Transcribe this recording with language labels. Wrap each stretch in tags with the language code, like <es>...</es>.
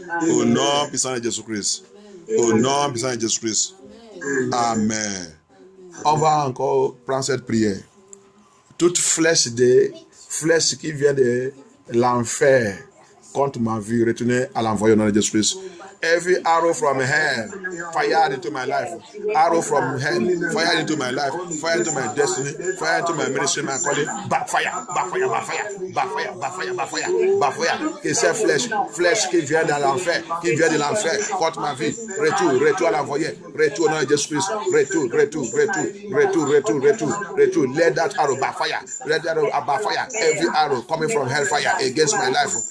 <fr>Au nom puissant de Jésus Christ. Au nom puissant de Jésus Christ. Amen. On va encore prendre cette prière. Toute flèche qui vient de l'enfer contre ma vie, retournez à l'envoyé au nom de Jésus Christ.</fr> <en>Every arrow from hell, fire into my life. Arrow from hell, fire into my life. Fire into my destiny. Fire into my ministry. My calling. Backfire.</en> <fr>Que cette flèche qui vient de l'enfer, contre ma vie. Retour à l'envoyer. Retour au nom de Jésus Christ. Retour.</fr> <en>Let that arrow backfire. Let that arrow backfire. Every arrow coming from hellfire against my life.</en>